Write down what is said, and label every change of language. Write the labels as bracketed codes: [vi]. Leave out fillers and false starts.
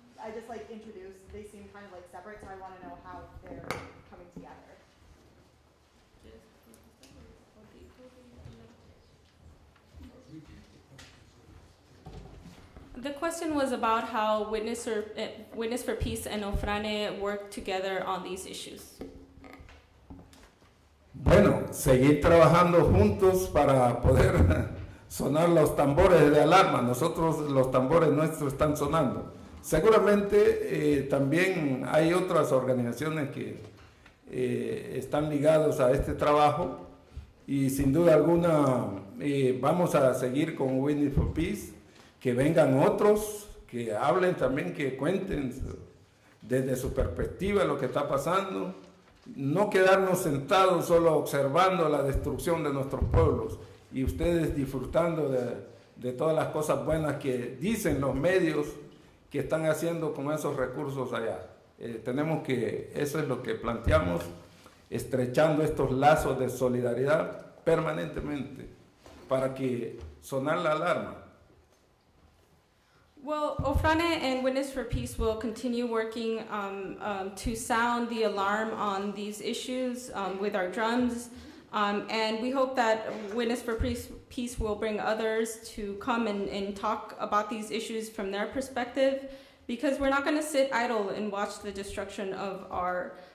[en] I just introduced, they seem kind of separate, so I want to know how they're coming together. The question was about how Witness for Peace and Ofrane work together on these issues. [es] Bueno, seguir trabajando juntos para poder sonar los tambores de alarma. Nosotros, los tambores nuestros están sonando. Seguramente también hay otras organizaciones que están ligados a este trabajo y sin duda alguna vamos a seguir con Witness for Peace, que vengan otros, que hablen también, que cuenten desde su perspectiva lo que está pasando, no quedarnos sentados solo observando la destrucción de nuestros pueblos y ustedes disfrutando de todas las cosas buenas que dicen los medios que están haciendo con esos recursos allá. Tenemos que, eso es lo que planteamos, estrechando estos lazos de solidaridad permanentemente para que sonar la alarma. [en] Well, Ofrane and Witness for Peace will continue working to sound the alarm on these issues with our drums. And we hope that Witness for Peace will bring others to come and talk about these issues from their perspective, because we're not going to sit idle and watch the destruction of our